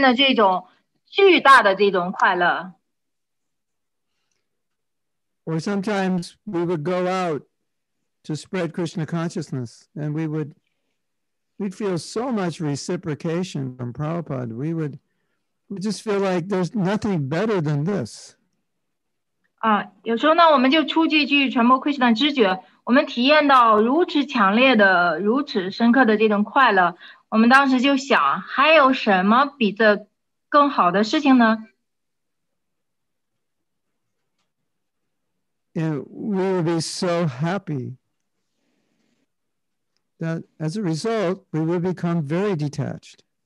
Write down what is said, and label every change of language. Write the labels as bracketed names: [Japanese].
[Chinese] 就有时候呢，当我们去做帕巴的想要我们去做的事情的时候呢，我们就会体验的这种巨大的这种快乐。 [English] Or sometimes we would go out to spread Krishna consciousness and we'd feel so much reciprocation from Prabhupada. We just feel like there's nothing better than this. [Chinese] 有时候呢，我们就出去去传播Krishna知觉，我们体验到如此强烈的、如此深刻的这种快乐。我们当时就想，还有什么比这更好的事情呢？ [English] And we would be so happy that as a result, we would become very detached.